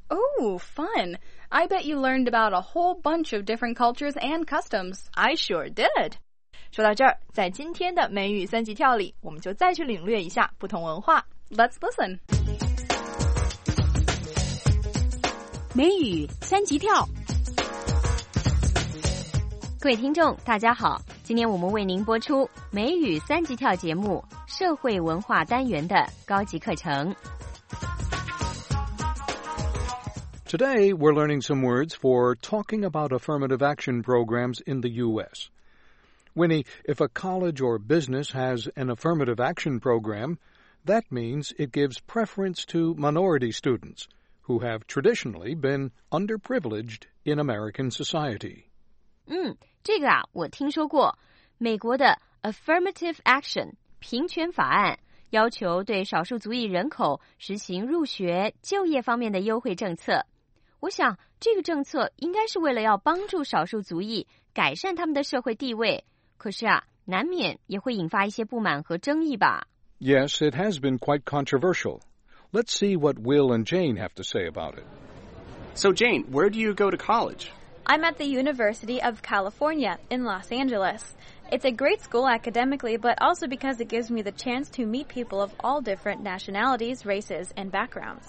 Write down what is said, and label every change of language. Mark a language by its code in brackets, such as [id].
[en] Oh, fun. I bet you learned about a whole bunch of different cultures and customs. I sure did. [zh] 说到这儿，在今天的美语三级跳里，我们就再去领略一下不同文化。 [en] Let's listen. [zh] 美语三级跳。各位听众大家好，今天我们为您播出美语三级跳节目社会文化单元的高级课程。 [en] Today we're learning some words for talking about affirmative action programs in the U.S. Winnie, if a college or business has an affirmative action program, that means it gives preference to minority students who have traditionally been underprivileged in American society. [zh] 这个啊，我听说过，美国的 Affirmative Action 平权法案要求对少数族裔人口实行入学、就业方面的优惠政策。我想，这个政策应该是为了要帮助少数族裔改善他们的社会地位。可是啊，难免也会引发一些不满和争议吧。 [en] Yes, it has been quite controversial. Let's see what Will and Jane have to say about it. So Jane, where do you go to college? I'm at the University of California in Los Angeles. It's a great school academically, but also because it gives me the chance to meet people of all different nationalities, races, and backgrounds.